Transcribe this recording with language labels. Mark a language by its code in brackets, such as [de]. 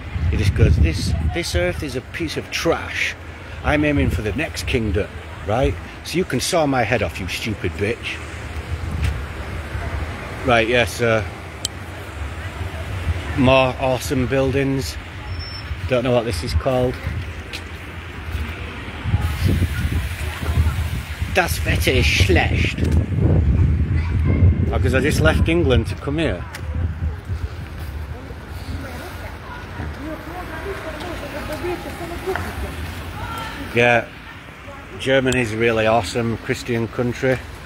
[en] He just goes, this earth is a piece of trash. I'm aiming for the next kingdom, right? So you can saw my head off, you stupid bitch. Right, yes, sir. More awesome buildings. Don't know what this is called. [de] das Wetter ist schlecht. [en] Oh, because I just left England to come here. Yeah, Germany's really awesome Christian country.